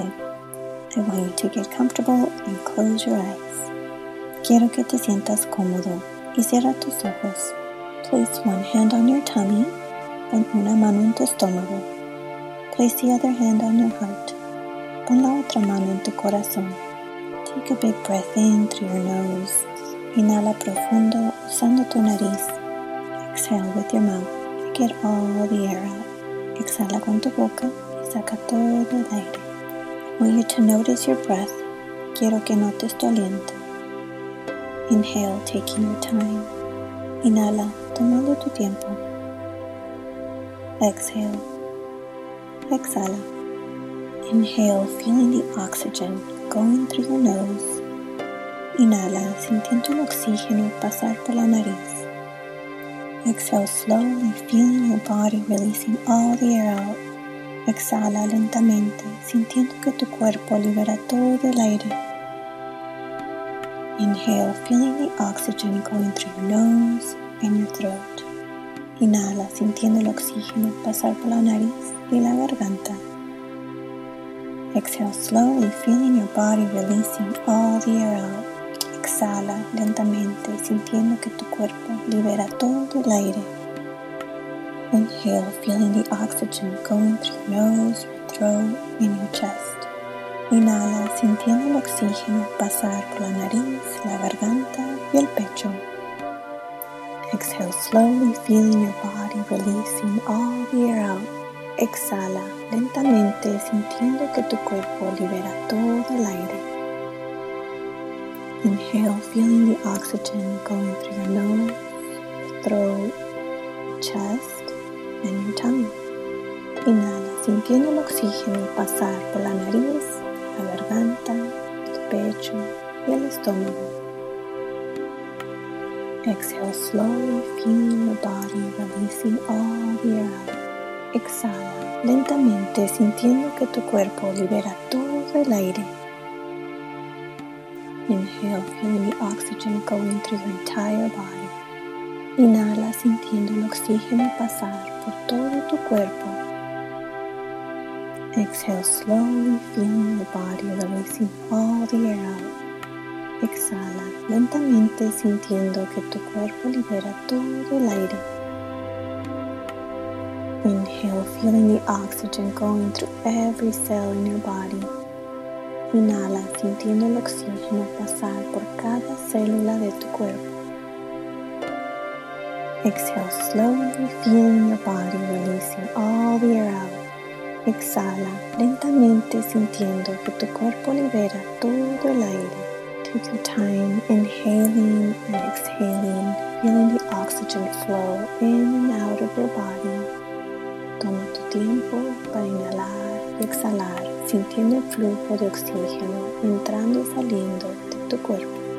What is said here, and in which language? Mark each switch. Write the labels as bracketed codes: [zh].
[en] I want you to get comfortable and close your eyes. [es] Quiero que te sientas cómodo y cierra tus ojos. [en] Place one hand on your tummy and [es] una mano en tu estómago. [en] Place the other hand on your heart. [es] Pon la otra mano en tu corazón. [en] Take a big breath in through your nose. [es] Inhala profundo usando tu nariz. [en] Exhale with your mouth. Get all the air out. [es] Exhala con tu boca y saca todo el aire. [en] I want you to notice your breath. [es] Quiero que notes tu aliento. [en] Inhale, taking your time. [es] Inhala, tomando tu tiempo. [en] Exhale. [es] Exhala. [en] Inhale, feeling the oxygen going through your nose. [es] Inhala, sintiendo el oxígeno pasar por la nariz. [en] Exhale slowly, feeling your body releasing all the air out. [es] Exhala lentamente, sintiendo que tu cuerpo libera todo el aire. [en] Inhale, feeling the oxygen going through your nose and your throat. [es] Inhala, sintiendo el oxígeno pasar por la nariz y la garganta. [en] Exhale slowly, feeling your body releasing all the air out. [es] Exhala lentamente, sintiendo que tu cuerpo libera todo el aire. [en] Inhale, feeling the oxygen going through your nose, your throat, and your chest. [es] Inhala, sintiendo el oxígeno pasar por la nariz, la garganta y el pecho. [en] Exhale slowly, feeling your body releasing all the air out. [es] Exhala lentamente, sintiendo que tu cuerpo libera todo el aire. [en] Inhale, feeling the oxygen going through your nose, throat, chest, and your tummy. [es] Inhala, sintiendo el oxígeno pasar por la nariz, la garganta, el pecho, y el estómago. [en] Exhale slowly, feeling your body releasing all the air. [es] Exhala lentamente, sintiendo que tu cuerpo libera todo el aire. [en] Inhale, feeling the oxygen going through your entire body. [es] Inhala, sintiendo el oxígeno pasar por todo tu cuerpo. [en] Exhale, slowly feeling your body releasing all the air out. [es] Exhala, lentamente sintiendo que tu cuerpo libera todo el aire. [en] Inhale, feeling the oxygen going through every cell in your body. [es] Inhala, sintiendo el oxígeno pasar por cada célula de tu cuerpo. [en] Exhale slowly, feeling your body releasing all the air out. [es] Exhala, lentamente sintiendo que tu cuerpo libera todo el aire. [en] Take your time, inhaling and exhaling, feeling the oxygen flow in and out of your body. [es] Toma tu tiempo para inhalar y exhalar, sintiendo el flujo de oxígeno entrando y saliendo de tu cuerpo.